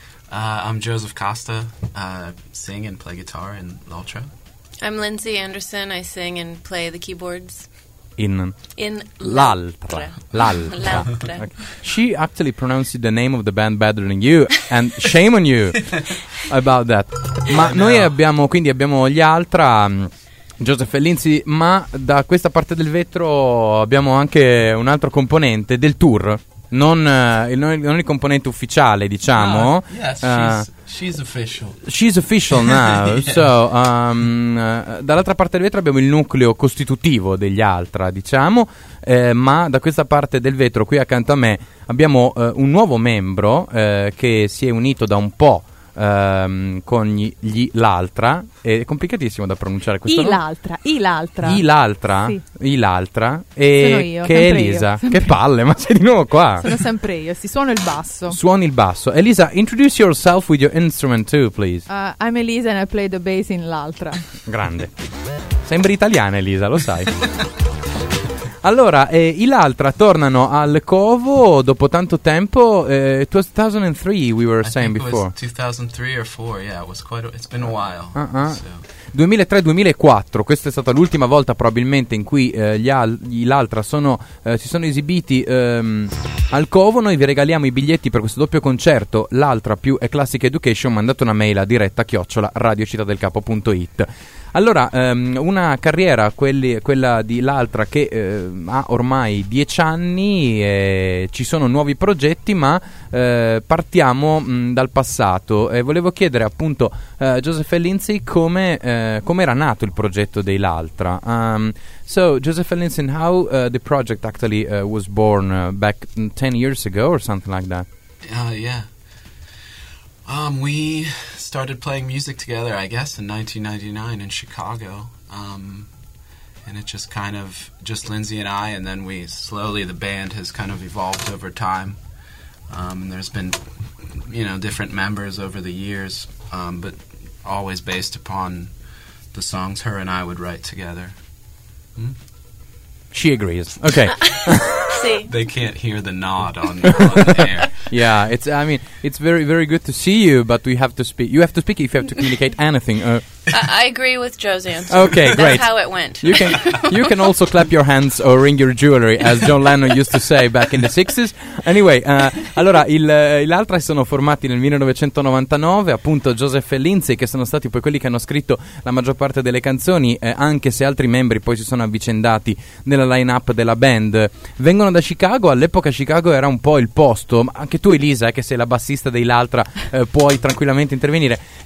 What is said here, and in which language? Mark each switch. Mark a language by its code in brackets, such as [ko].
[en] I'm Joseph Costa. Sing and play guitar in Lautre. I'm Lindsay Anderson. I sing and play the keyboards. In L'Altra. Okay. She actually pronounced the name of the band better than you, and shame on you about that. [it] Ma no. Noi abbiamo gli altri, Joseph e Lindsay, ma da questa parte del vetro abbiamo anche un altro componente del tour. Non il componente ufficiale, diciamo. [en] She's official. She's official now. Yeah. [it] So, dall'altra parte del vetro abbiamo il nucleo costitutivo degli altri, diciamo. Ma da questa parte del vetro, qui accanto a me, abbiamo un nuovo membro che si è unito da un po'. Con gli l'altra, è complicatissimo da pronunciare questo nome. L'altra. E sono io, che è Elisa. Io, che palle, ma sei di nuovo qua. Sono sempre io, si suona il basso. Suoni il basso. [en] Elisa, introduce yourself with your instrument too, please. I'm Elisa and I play the bass in l'altra. [it] Grande. Sembri italiana, Elisa, lo sai. Allora, i L'Altra tornano al Covo dopo tanto tempo. [en] It was 2003, we were saying before. I think it was 2003 or 4, yeah, it's been a while. Uh-huh. So. [it] 2003-2004, questa è stata l'ultima volta probabilmente in cui L'Altra si sono esibiti al Covo. Noi vi regaliamo i biglietti per questo doppio concerto, L'Altra più A Classic Education. Mandate una mail a diretta@radiocittadelcapo.it. Allora, una carriera, quella di L'Altra, che ha ormai 10 anni, e ci sono nuovi progetti, ma partiamo dal passato. E volevo chiedere appunto a Joseph e Lindsay come era nato il progetto dei L'Altra. [en] So, Joseph and Lindsay, how the project actually was born back 10 years ago or something like that? We started playing music together, I guess, in 1999 in Chicago. And it just kind of, just Lindsay and I, and then we slowly, the band has kind of evolved over time. And there's been, you know, different members over the years, but always based upon the songs her and I would write together. Hmm? She agrees. Okay. They can't hear the nod on the air. Yeah, it's. I mean, it's very, very good to see you, but we have to speak. You have to speak if you have to communicate anything. I agree with Joe's answer. Okay, great. That's how it went. You can also clap your hands or ring your jewelry, as John Lennon used to say back in the 60s. [it] Anyway, allora, l'altra sono formati nel 1999, appunto Joseph e Lindsay, che sono stati poi quelli che hanno scritto la maggior parte delle canzoni, anche se altri membri poi si sono avvicendati nella line-up della band. Vengono da Chicago, all'epoca Chicago era un po' il posto, ma anche tu Elisa, che sei la bassista dei L'Altra, puoi tranquillamente intervenire.